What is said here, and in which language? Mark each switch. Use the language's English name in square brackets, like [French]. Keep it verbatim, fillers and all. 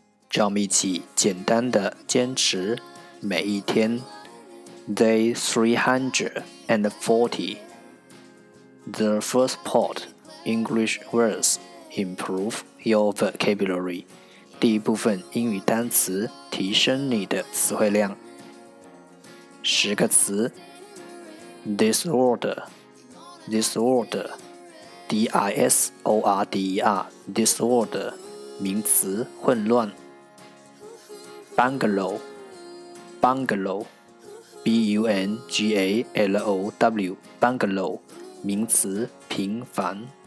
[Chinese] 让我们一起简单的坚持每一天。 [English] Day three hundred and forty. The first part English words. Improve your vocabulary. [Chinese] 第一部分英语单词，提升你的词汇量。十个词 ：disorder, disorder, d i s o r d e r, disorder 名词，混乱。 bungalow, bungalow, b u n g a l o w, bungalow 名词，平凡。